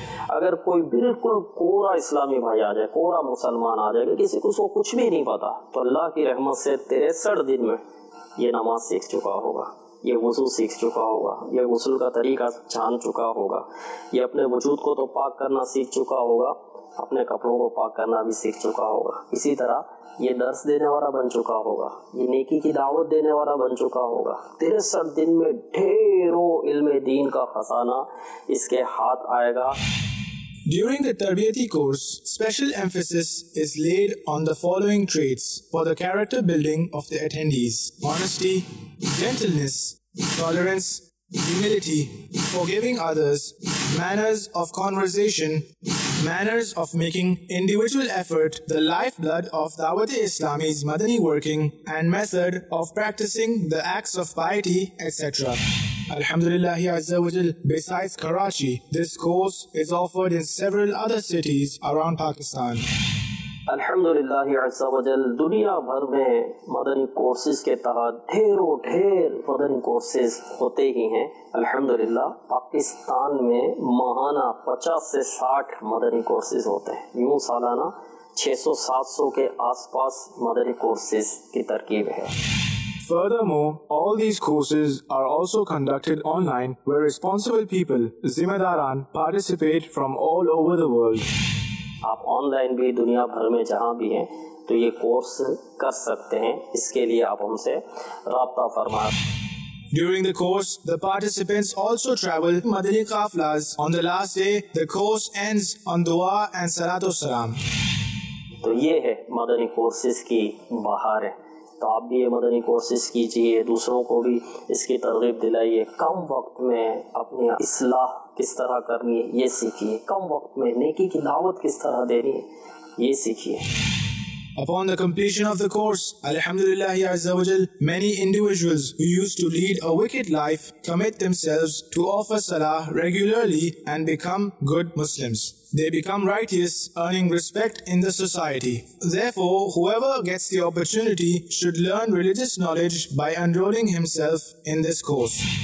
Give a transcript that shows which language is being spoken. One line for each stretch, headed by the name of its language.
Urdu: اگر کوئی بالکل کورا اسلامی بھائی آ جائے, کورا مسلمان آ جائے, کہ کسی کو اس کو کچھ بھی نہیں پتا, تو اللہ کی رحمت سے 63 دن میں یہ نماز سیکھ چکا ہوگا, یہ وضو سیکھ چکا ہوگا, یہ غسل کا طریقہ جان چکا ہوگا, یہ اپنے وجود کو تو پاک کرنا سیکھ چکا ہوگا, اپنے کپڑوں کو پاک کرنا بھی سیکھ چکا ہوگا, اسی طرح یہ درس دینے والا بن چکا ہوگا, یہ نیکی کی دعوت دینے والا بن چکا ہوگا. 63 دن میں ڈھیروں علم دین کا خزانہ اس کے ہاتھ آئے گا.
English: During the tarbiyati course, special emphasis is laid on the following traits for the character building of the attendees: honesty, gentleness, tolerance, humility, forgiving others, manners of conversation, manners of making individual effort, the lifeblood of Dawat-e-Islami's madani working and method of practicing the acts of piety, etc. Alhamdulillah Azza wa Jal, besides Karachi, this course is offered in several other cities around Pakistan.
Urdu: الحمدللہ عز و جل, دنیا بھر میں مدنی courses کے تحت ڈھیروں ڈھیر مدنی کورسز ہوتے ہی ہیں. الحمدللہ پاکستان میں ماہانہ 50-60 مدنی کورسز ہوتے ہیں, یوں سالانہ 600-700 کے آس پاس مدنی کورسز کی ترکیب ہے.
English: Furthermore, all these courses are also conducted online where responsible people, zimmedaran, participate from all over the world.
Urdu: آپ آن لائن بھی دنیا بھر میں جہاں بھی ہیں تو یہ کورس کر سکتے ہیں, اس کے لیے آپ ہم سے رابطہ فرمائیں.
English: During the course, the participants also travel Madani Qaflas. On the last day, the course ends on dua and salatu salam.
Urdu: تو یہ ہے مدنی کورسز کی بہار ہے, تو آپ بھی یہ مدنی کورسز کیجئے, دوسروں کو بھی اس کی ترغیب دلائیے. کم وقت میں اپنی اصلاح کس طرح کرنی ہے یہ سیکھیے, کم وقت میں نیکی کی دعوت کس طرح دینی ہے یہ سیکھیے.
English: Upon the completion of the course, Alhamdulillah Azza wa Jal, many individuals who used to lead a wicked life commit themselves to offer salah regularly and become good Muslims. They become righteous, earning respect in the society. Therefore, whoever gets the opportunity should learn religious knowledge by enrolling himself in this course.